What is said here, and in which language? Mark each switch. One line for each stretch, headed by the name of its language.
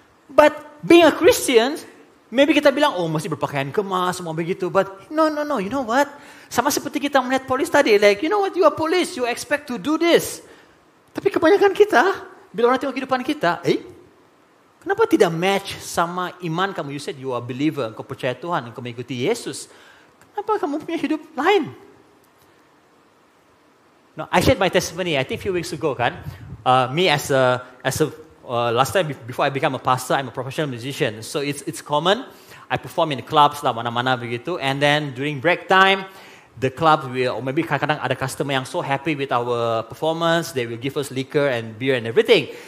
English: But being a Christian, maybe
Malay: kita bilang, oh, mesti berpakaian kemas, semua begitu.
English: But no. You know what?
Malay: Sama seperti kita melihat polis tadi.
English: Like, you know what? You are police. You expect to do this.
Malay: Tapi kebanyakan kita, bila orang tengok kehidupan kita, eh, kenapa tidak match sama iman kamu?
English: You said you are believer.
Malay: Kau percaya Tuhan. Kau mengikuti Yesus. Kenapa kamu punya hidup lain?
English: No, I shared my testimony, I think a few weeks ago, kan? Last time before I become a pastor, I'm a professional musician. So it's common. I perform in clubs lah,
Malay: mana-mana begitu.
English: And then during break time, the club will, or maybe
Malay: kadang-kadang ada customer yang
English: so happy with our performance, they will give us liquor and beer and everything.